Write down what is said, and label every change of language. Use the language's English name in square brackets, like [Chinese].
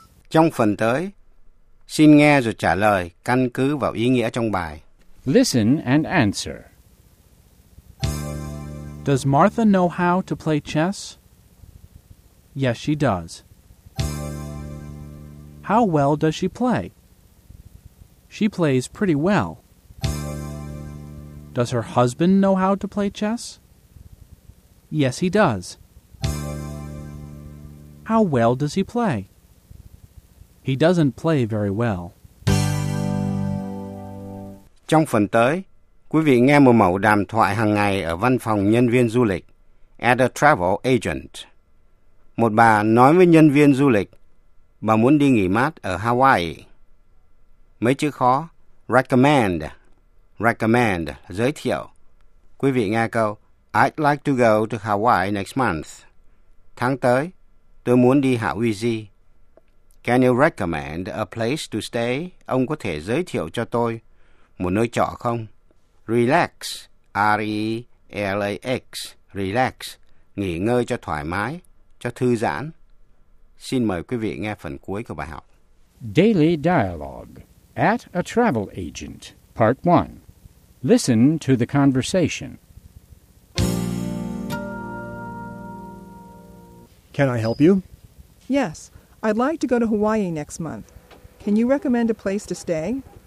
[Vietnamese] Trong phần tới, xin nghe rồi trả lời căn cứ vào ý nghĩa trong bài. [English] Listen and answer. Does Martha know how to play chess? Yes, she does. How well does she play? She plays pretty well. Does her husband know how to play chess? Yes, he does. How well does he play? He doesn't play very well. [Vietnamese] Trong phần tới, quý vị nghe một mẫu đàm thoại hàng ngày ở văn phòng nhân viên du lịch, [English] at a travel agent. [Vietnamese] Một bà nói với nhân viên du lịch, bà muốn đi nghỉ mát ở Hawaii. Mấy chữ khó, recommend, recommend, giới thiệu. Quý vị nghe câu, [English] I'd like to go to Hawaii next month. [Vietnamese] Tháng tới, tôi muốn đi Hawaii. [English] Can you recommend a place to stay? [Vietnamese] Ông có thể giới thiệu cho tôi một nơi trọ không? Relax, R-E-L-A-X, relax, nghỉ ngơi cho thoải mái, cho thư giãn. Xin mời quý vị nghe phần cuối của bài học. [English] Daily Dialogue at a Travel Agent, Part 1. Listen to the conversation. Can I help you? Yes, I'd like to go to Hawaii next month. Can you recommend a place to stay?